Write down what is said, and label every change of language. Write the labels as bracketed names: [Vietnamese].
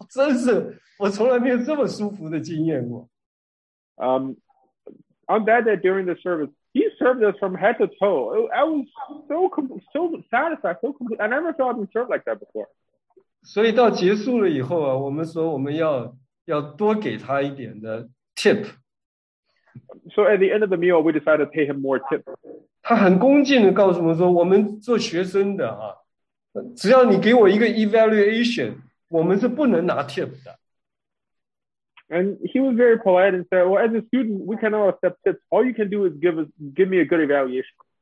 [Chinese] 他站在旁边把我们服侍的，挺舒舒服服，真是我从来没有这么舒服的经验过。 [English] On that day, during the service, he served us from head to toe. I was so satisfied, so complete. I never saw him serve like that before. [Chinese] 所以到结束了以后啊，我们说我们要多给他一点的 tip. [English] So at the end of the meal, we decided to pay him more tip. [Chinese] 他很恭敬的告诉我们说，我们做学生的啊，只要你给我一个 evaluation, 我们是不能拿 tip 的。 [English] And he was very polite and said, well, as a student, we cannot accept tips. All you can do is give me a good evaluation.